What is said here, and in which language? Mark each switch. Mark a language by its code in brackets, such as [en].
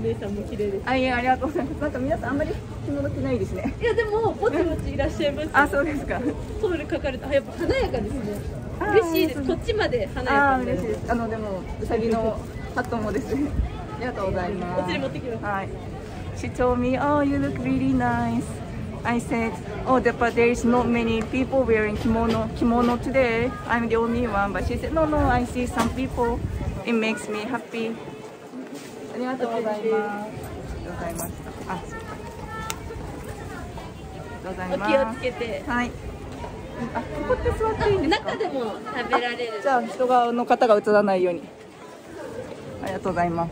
[ja] お姉さんも綺麗です。あ、いや、ありがとうございます。なんか皆さんあんまり着物着ないですね。いや、でもぼちぼちいらっしゃいます。あ、そうですか。ソウルかかると、あ、やっぱ華やかですね。嬉しいです。こっちまで華やかです。あ、嬉しいです。あの、でもウサギのハットもですね。ありがとうございます。お釣り持ってきます。はい。 [en] She told me, oh, you look really nice. I said, oh, but there is not many people wearing kimono today. I'm the only one. But she said, no, I see some people. It makes me happy. [ja] ありがとうございます。ありがとうございます。あ、ございます。お気をつけて。はい。あ、ここって座っていいんですか？中でも食べられる。じゃあ人側の方が映らないように。ありがとうございます。